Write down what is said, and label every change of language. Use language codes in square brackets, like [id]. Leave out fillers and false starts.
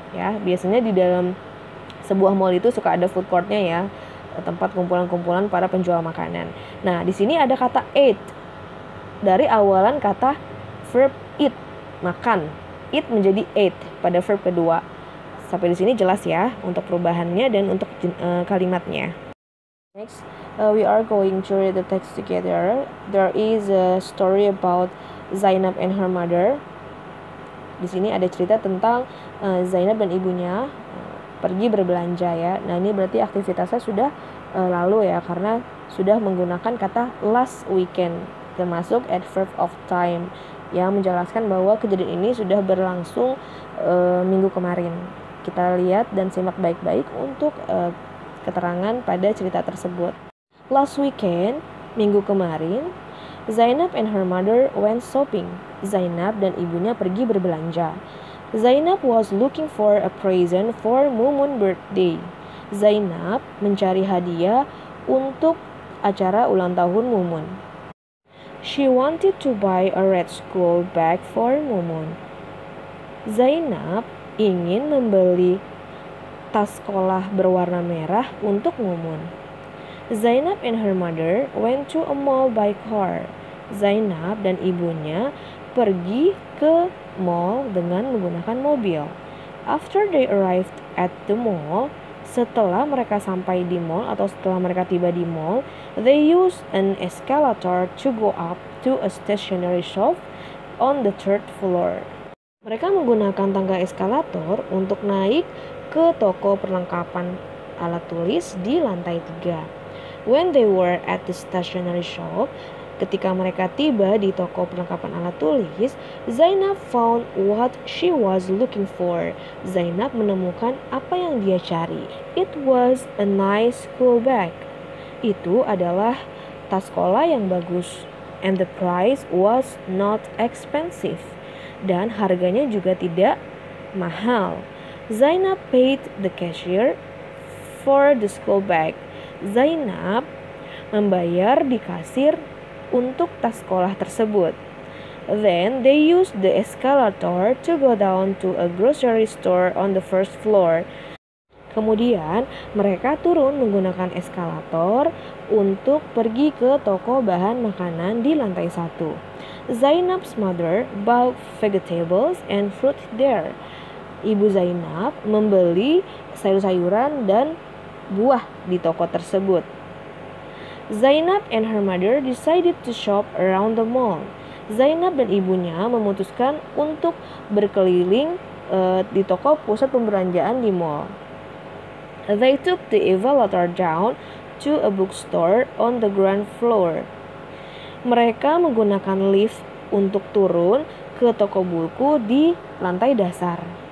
[id] Ya, biasanya di dalam sebuah mall itu suka ada food court-nya ya, tempat kumpulan-kumpulan para penjual makanan. Nah, di sini ada kata ate dari awalan kata verb eat, makan. It menjadi ate pada verb kedua. Sampai di sini jelas ya untuk perubahannya dan untuk kalimatnya. [en] Next, we are going to read the text together. There is a story about Zainab and her mother. [id] Di sini ada cerita tentang Zainab dan ibunya pergi berbelanja ya. Nah, ini berarti aktivitasnya sudah lalu ya karena sudah menggunakan kata last weekend termasuk adverb of time. Yang menjelaskan bahwa kejadian ini sudah berlangsung minggu kemarin. Kita lihat dan simak baik-baik untuk keterangan pada cerita tersebut. [en] Last weekend, [id] minggu kemarin, [en] Zainab and her mother went shopping. [id] Zainab dan ibunya pergi berbelanja. [en] Zainab was looking for a present for Mumun's birthday. [id] Zainab mencari hadiah untuk acara ulang tahun Mumun. [en] She wanted to buy a red school bag for Mumun. [id] Zainab ingin membeli tas sekolah berwarna merah untuk Mumun. [en] Zainab and her mother went to a mall by car. [id] Zainab dan ibunya pergi ke mall dengan menggunakan mobil. [en] After they arrived at the mall, [id] setelah mereka sampai di mall [en] atau setelah mereka tiba di mall, they used an escalator to go up to a stationery shop on the third floor. [id] Mereka menggunakan tangga eskalator untuk naik ke toko perlengkapan alat tulis di lantai 3. [en] When they were at the stationery shop, [id] ketika mereka tiba di toko perlengkapan alat tulis, [en] Zainab found what she was looking for. [id] Zainab menemukan apa yang dia cari. [en] It was a nice school bag. [id] Itu adalah tas sekolah yang bagus. [en] And the price was not expensive. [id] Dan harganya juga tidak mahal. [en] Zainab paid the cashier for the school bag. [id] Zainab membayar di kasir untuk tas sekolah tersebut. [en] Then they used the escalator to go down to a grocery store on the first floor. [id] Kemudian mereka turun menggunakan eskalator untuk pergi ke toko bahan makanan di lantai 1. [en] Zainab's mother bought vegetables and fruit there. [id] Ibu Zainab membeli sayur-sayuran dan buah di toko tersebut. [en] Zainab and her mother decided to shop around the mall. [id] Zainab dan ibunya memutuskan untuk berkeliling di toko pusat pembelanjaan di mall. [en] They took the elevator down to a bookstore on the ground floor. [id] Mereka menggunakan lift untuk turun ke toko buku di lantai dasar.